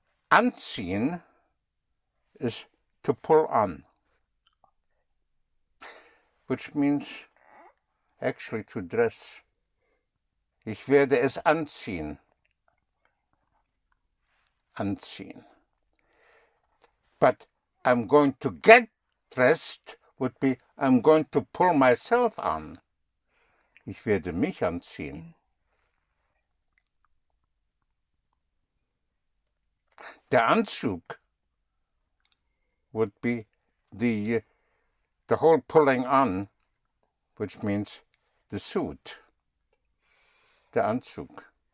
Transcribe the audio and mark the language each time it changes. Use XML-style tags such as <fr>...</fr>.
<en>Anziehen is to pull on, which means actually to dress.</en> <de>Ich werde es anziehen.</de> <en>Anziehen. But I'm going to get dressed would be I'm going to pull myself on.</en> <de>Ich werde mich anziehen.</de> <en>Der Anzug would be the whole pulling on, which means the suit. Der Anzug.</en>